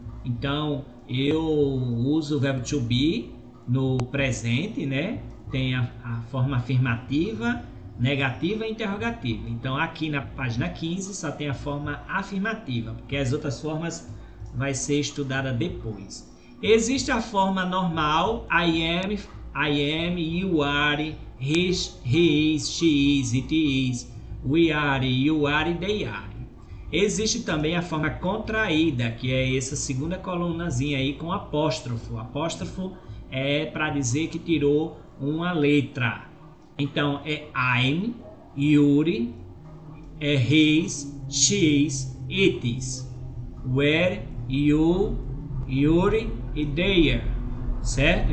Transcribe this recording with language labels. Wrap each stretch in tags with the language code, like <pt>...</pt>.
<pt>Então eu uso o verbo to be no presente, né? Tem a forma afirmativa, negativa e interrogativa. Então aqui na página 15 só tem a forma afirmativa, porque as outras formas vai ser estudada depois. Existe a forma normal:</pt> <en>I am, you are. He is, she is, it is, we are, you are, they are.</en> <pt>Existe também a forma contraída, que é essa segunda colunazinha aí com apóstrofo. Apóstrofo é para dizer que tirou uma letra. Então é</pt> <en>I'm, you're, é his, she's, it's, where, you, you're e they're.</en> <pt>Certo?</pt>